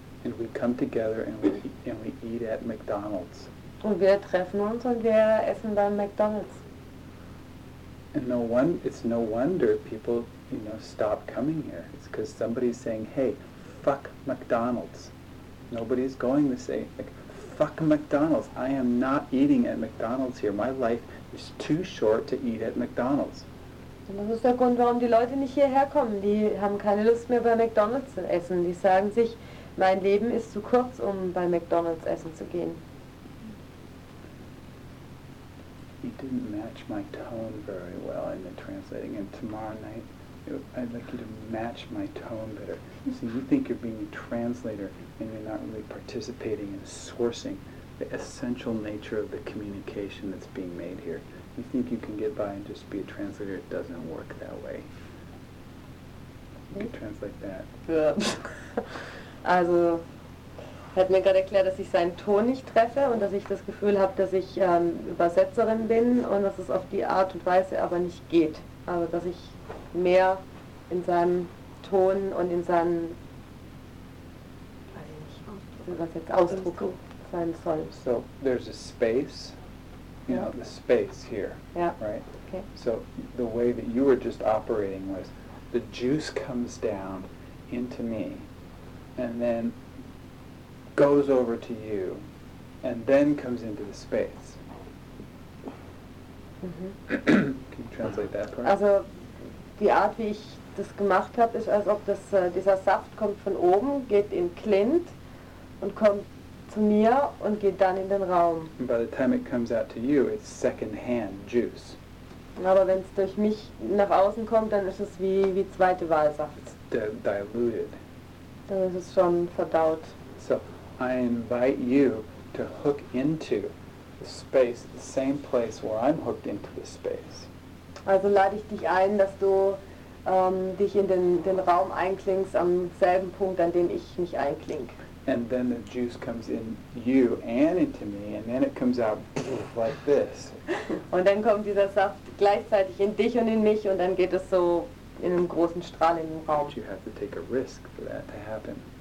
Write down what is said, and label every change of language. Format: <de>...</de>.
<en>And we come together and we eat at McDonald's.</en> <de>Und wir treffen uns und wir essen beim McDonald's.</de> <en>And it's no wonder people, you know, stop coming here. It's because somebody's saying, hey, fuck McDonald's. Nobody's going to say, like, fuck McDonald's. I am not eating at McDonald's here. My life is too short to eat at McDonald's.</en> <de>Und das ist der Grund, warum die Leute nicht hierher kommen. Die haben keine Lust mehr bei McDonald's zu essen. Die sagen sich, mein Leben ist zu kurz, um bei McDonald's essen zu gehen.</de> <en>he didn't match my tone very well in the translating, and tomorrow night I'd like you to match my tone better. See, you think you're being a translator and you're not really participating in sourcing the essential nature of the communication that's being made here. You think you can get by and just be a translator. It doesn't work that way. You can translate that. Yeah.</en> <de>Also, er hat mir gerade erklärt, dass ich seinen Ton nicht treffe und dass ich das Gefühl habe, dass ich Übersetzerin bin und dass es auf die Art und Weise aber nicht geht. Also, dass ich mehr in seinem Ton und in seinem Ausdruck sein soll.</de> <en>So, there's a space, you know, the space here, yeah. Right? Okay. So, the way that you were just operating was, the juice comes down into me and then goes over to you and then comes into the space. Mm-hmm. Can you translate that for me?</en> <de>Also, die Art, wie ich das gemacht habe, ist, als ob das, dieser Saft kommt von oben, geht in Clint und kommt zu mir und geht dann in den Raum.</de> <en>And by the time it comes out to you, it's second-hand juice.</en> <de>Aber wenn es durch mich nach außen kommt, dann ist es wie zweite Wahlsaft.</de> <en>It's diluted.</en> <de>Dann ist es schon verdaut.</de> <en>So, I invite you to hook into the space, the same place where I'm hooked into the space.</en> <de>Also lade ich dich ein, dass du dich in den Raum einklingst am selben Punkt, an dem ich mich einklinke.</de> <en>And then the juice comes in you and into me, and then it comes out like this.</en> <de>Und dann kommt dieser Saft gleichzeitig in dich und in mich, und dann geht es so in einem großen Strahl in den Raum.</de> <en>But you have to take a risk for that to happen.</en>